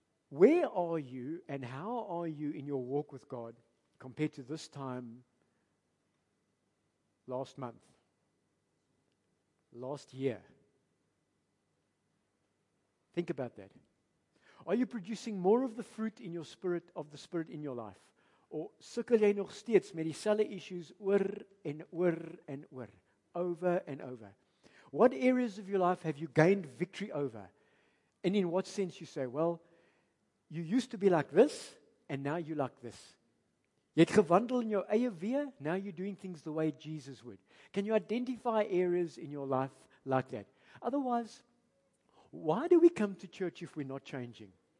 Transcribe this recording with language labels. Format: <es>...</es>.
<en>Where are you and how are you in your walk with God compared to this time last month, last year? Think about that. Are you producing more of the fruit in your spirit, of the spirit in your life?</en> <af>Or sukkel jy nog steeds met dieselfde issues oor en oor en oor,</af> <en>over and over? What areas of your life have you gained victory over? And in what sense you say, well, you used to be like this, and now you like this.</en> <af>Jy het gewandel in jou eie weer,</af> <en>now you're doing things the way Jesus would. Can you identify areas in your life like that? Otherwise, why do we come to church if we're not changing?</en>